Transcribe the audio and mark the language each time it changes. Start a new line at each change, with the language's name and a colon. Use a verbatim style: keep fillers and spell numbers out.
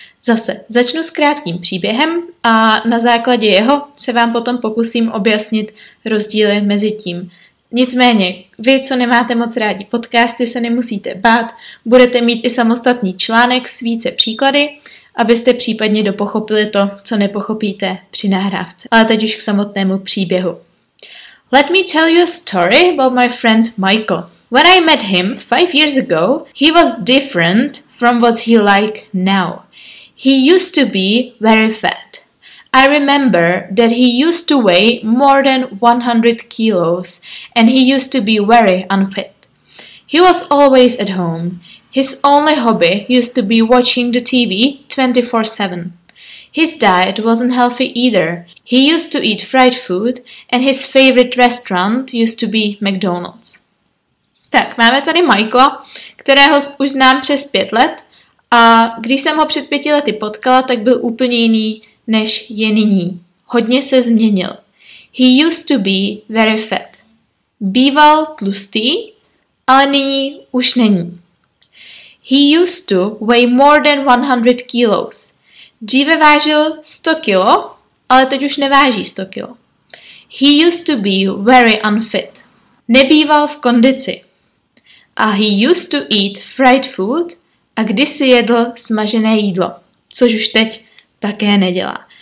Czech: Zase začnu s krátkým příběhem a na základě jeho se vám potom pokusím objasnit rozdíly mezi tím. Nicméně, vy, co nemáte moc rádi podcasty, se nemusíte bát, budete mít i samostatný článek s více příklady, abyste případně dopochopili to, co nepochopíte při nahrávce. Ale teď už k samotnému příběhu.
English: Let me tell you a story about my friend Michael. When I met him five years ago, he was different from what he like now. He used to be very fat. I remember that he used to weigh more than one hundred kilos and he used to be very unfit. He was always at home. His only hobby used to be watching the T V twenty-four seven. His diet wasn't healthy either. He used to eat fried food and his favorite restaurant used to be McDonald's.
Czech: Tak, máme tady Michaela, kterého už znám přes pět let. A když jsem ho před pěti lety potkala, tak byl úplně jiný, než je nyní. Hodně se změnil.
English: He used to be very fat.
Czech: Býval tlustý, ale nyní už není.
English: He used to weigh more than one hundred kilos.
Czech: Dříve vážil sto kilo, ale teď už neváží sto kilo.
English: He used to be very unfit.
Czech: Nebýval v kondici. A
English: he used to eat fried food,
Czech: a kdysi jedl smažené jídlo, což už teď také nedělá.